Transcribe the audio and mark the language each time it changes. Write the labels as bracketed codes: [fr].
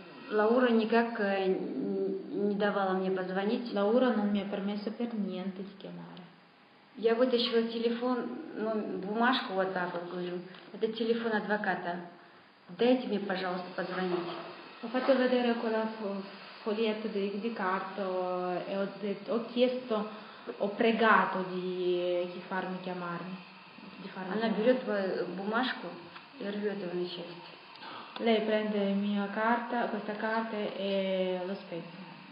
[ru] Лаура никак не давала мне позвонить. [it] Лаура non mi ha permesso per niente di chiamare. [ru] Я вытащила телефон, бумажку вот так вот говорю. Это телефон адвоката. Дайте мне, пожалуйста, позвонить. [it] Ho fatto vedere quella foglietta di carta e ho chiesto, ho pregato di farmi chiamare. [ru] Она берет бумажку и рвет его на части. [it] Lei prende la mia carta, questa carta e lo spezza.